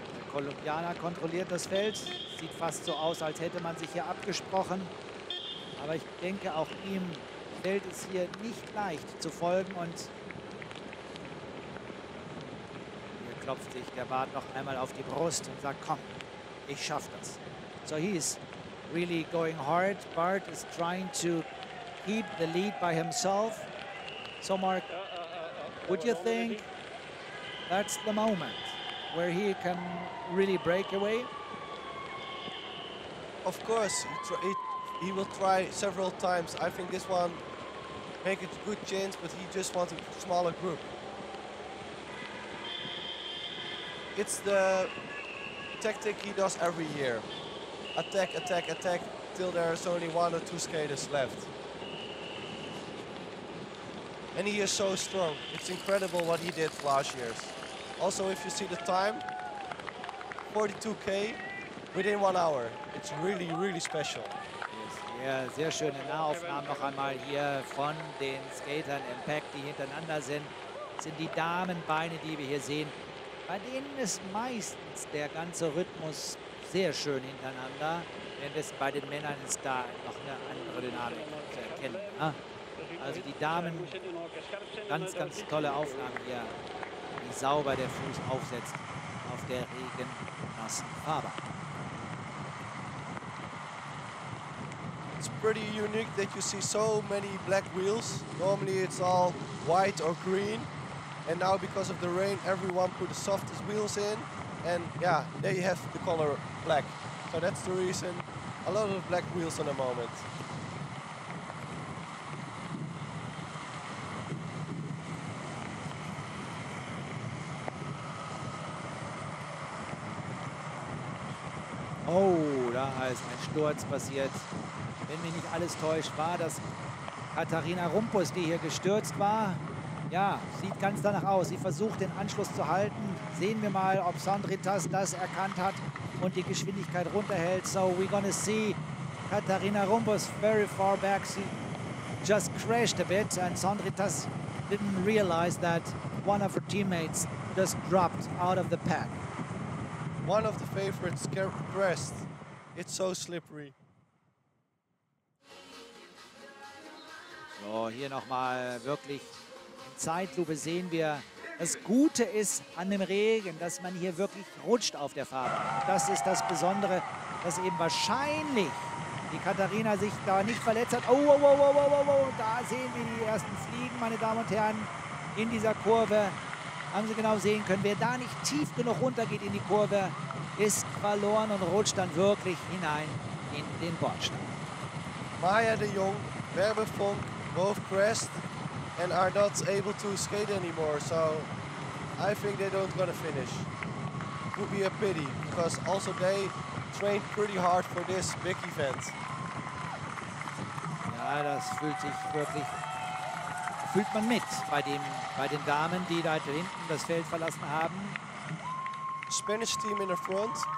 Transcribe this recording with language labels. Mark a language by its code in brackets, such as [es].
[de] Kolumbianer kontrolliert das Feld. Sieht fast so aus, als hätte man sich hier abgesprochen. Aber ich denke, auch ihm fällt es hier nicht leicht zu folgen. Und hier klopft sich der Bart noch einmal auf die Brust und sagt, komm, ich schaff das. [en] So he's really going hard. Bart is trying to keep the lead by himself. So Mark, would you think that's the moment where he can really break away? Of course, he will try several times. I think this one make it a good chance, but he just wants a smaller group. It's the tactic he does every year. Attack, attack, attack, till there's only one or two skaters left. And he is so strong. It's incredible what he did last year. Also, if you see the time, 42K within 1 hour. It's really, really special. [de] Ja, sehr schöne Nahaufnahmen noch einmal hier von den Skatern im Pack, die hintereinander sind. Das sind die Damenbeine, die wir hier sehen. Bei denen ist meistens der ganze Rhythmus sehr schön hintereinander. Währenddessen bei den Männern ist da noch eine andere Dynamik zu erkennen. Ne? Also die Damen, ganz, ganz tolle Aufnahmen hier, wie sauber der Fuß aufsetzt auf der regennassen Fahrbahn. [en] It's pretty unique that you see so many black wheels. Normally it's all white or green. And now because of the rain, everyone put the softest wheels in. And yeah, there you have the color black. So that's the reason a lot of black wheels in the moment. [de] Oh, da ist ein Sturz passiert. Wenn mich nicht alles täuscht, war das Katharina Rumpus, die hier gestürzt war. Ja, sieht ganz danach aus. Sie versucht, den Anschluss zu halten. Sehen wir mal, ob Sandritas das erkannt hat und die Geschwindigkeit runterhält. [en] So, we're gonna see Katharina Rumpus very far back. She just crashed a bit and Sandritas didn't realize that one of her teammates just dropped out of the pack. One of the favorites crashed. It's so slippery. [de] So, hier nochmal wirklich in Zeitlupe sehen wir, das Gute ist an dem Regen, dass man hier wirklich rutscht auf der Fahrt. Das ist das Besondere, dass eben wahrscheinlich die Katharina sich da nicht verletzt hat. Oh, oh, oh, oh, oh, oh, oh. Da sehen wir die ersten Fliegen, meine Damen und Herren, in dieser Kurve. Haben Sie genau sehen können, wer da nicht tief genug runtergeht in die Kurve, ist verloren und rutscht dann wirklich hinein in den Bordstein. Maya de Jong, Werbefunk. [en] Both crashed and are not able to skate anymore, so I think they don't gonna finish. It would be a pity, because also they trained pretty hard for this big event. [de] Ja, das fühlt sich wirklich, fühlt man mit bei den Damen, die da hinten das Feld verlassen haben. [en] Spanish team in the front.